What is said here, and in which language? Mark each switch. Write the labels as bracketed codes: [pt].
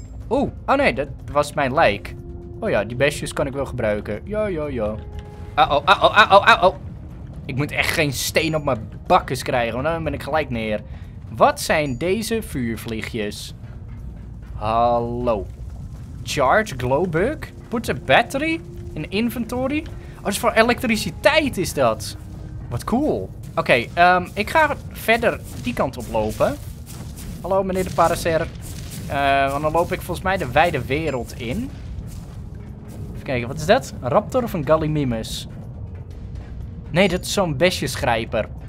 [nl] Oeh, oh nee, dat was mijn lijk. Oh ja, die bestjes kan ik wel gebruiken. Ja, ja, ja. Oh. Ik moet echt geen steen op mijn bakkes krijgen, want dan ben ik gelijk neer. Wat zijn deze vuurvliegjes? [en] Hallo. Charge glowbug? Put a battery in inventory? [nl] Oh, dat is voor elektriciteit is dat. Wat cool. Oké, okay, ik ga verder die kant op lopen. Hallo meneer de paracer. Want dan loop ik volgens mij de wijde wereld in. Even kijken, wat is dat? Een raptor of een gallimimus? Nee, dat is zo'n besjesgrijper.